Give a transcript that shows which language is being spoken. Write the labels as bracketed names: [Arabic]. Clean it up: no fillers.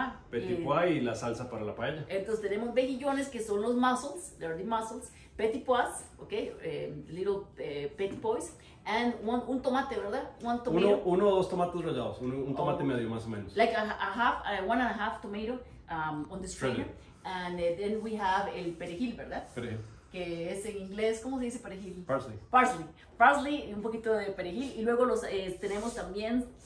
[Spanish] Petit pois y la salsa para la paella. Entonces tenemos mejillones que son los mussels, [English] they're the mussels, [Spanish] petit pois, [English] ok, little petit pois, and [Spanish] un tomate, ¿verdad? [English] One tomato. [Spanish] Uno o dos tomates rallados, un tomate medio más o menos. [English] Like one and a half tomato on the strainer. Really? And then we have el perejil, ¿verdad? [Spanish] Perejil. Que es en inglés, ¿cómo se dice perejil? [English] Parsley. Parsley. [Spanish] Parsley, un poquito de perejil, y luego tenemos también...